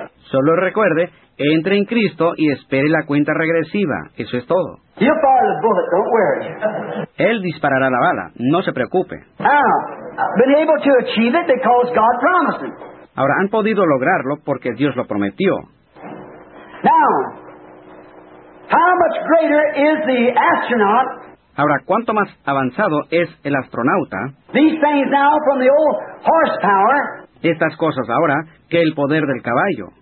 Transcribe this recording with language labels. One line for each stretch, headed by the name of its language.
Spanish: Solo recuerde, entre en Cristo y espere la cuenta regresiva. Eso es todo.
English: He'll fire the bullet, don't worry.
Spanish: Él disparará la bala. No se preocupe.
English: Now, been able to achieve it because God promised it.
Spanish: Ahora, han podido lograrlo porque Dios lo prometió.
English: Now, how much greater is the astronaut?
Spanish: Ahora, ¿cuánto más avanzado es el astronauta?
English: These things now from the old horsepower.
Spanish: Estas cosas ahora que el poder del caballo.